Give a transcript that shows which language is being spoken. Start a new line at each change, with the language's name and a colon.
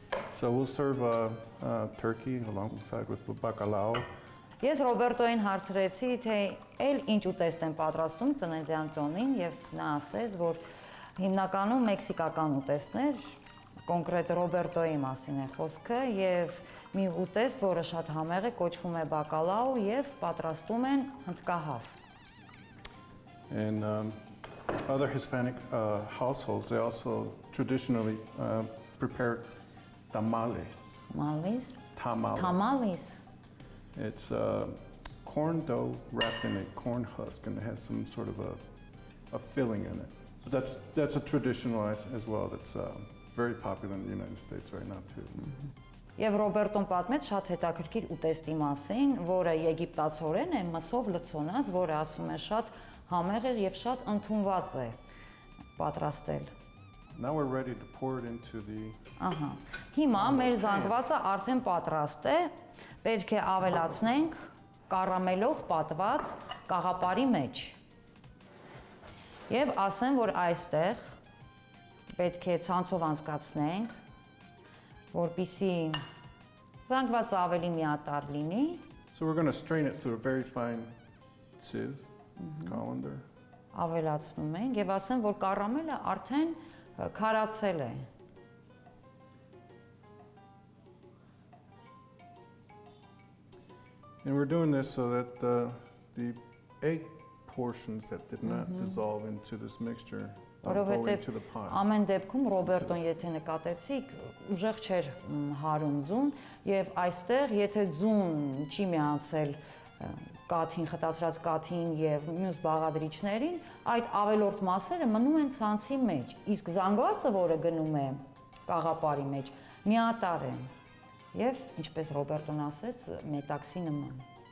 English: So we'll serve a turkey alongside with bacalao.
Armenian: Ես Ռոբերտոին հարցրեցի, թե այլ ինչ ուտեստ են պատրաստում ծննդյան տոնին եւ նա ասեց, որ հիմնականում մեքսիկական ուտեստներ Կոնկրետ Ռոբերտոյի մասին է խոսքը եւ մի ուտեստ, որը շատ համեղ է, կոչվում է բակալաո եւ պատրաստում են հնդկահավ։
English: And other Hispanic households they also traditionally prepare tamales. Tamales? Tamales. Tamales. It's corn dough wrapped in a corn husk and it has some sort of a filling in it. But that's a traditional as well that's very popular in the United States right now too.
Armenian: Եվ Ռոբերտոն պատմեց շատ հետաքրքիր ուտեստի մասին, որը եգիպտացորեն է, մսով լցոնած, որը ասում են շատ համեղ է եւ շատ ընդունված է պատրաստել.
English: Now we're ready to pour it into the
Armenian: Ահա։ Հիմա մեր զանգվածը արդեն պատրաստ է։ Պետք է ավելացնենք կարամելով պատված կաղապարի մեջ։ Եվ ասեմ, որ այստեղ պետք է ցանցով անցկացնենք, որպեսզի զանգվածը ավելի միատար լինի։
English: So we're going to strain it through a very fine sieve, colander.
Armenian: Ավելացնում ենք եւ ասեմ, որ կարամելը արդեն քարացել է։
English: And we're doing this so that the egg portions that did not dissolve into this mixture
Armenian: Որովհետև ամեն դեպքում Ռոբերտոն, եթե նկատեցիք, ուժեղ չէր հարում ձուն եւ այստեղ, եթե ձուն չի միացել կաթին, խտացրած կաթին եւ մյուս բաղադրիչներին, այդ ավելորդ մասերը մնում են ցանցի մեջ, իսկ զանգվածը, որը գնում է կաղապարի մեջ, միատար է եւ, ինչպես Ռոբերտոն ասեց, մետաքսի նման։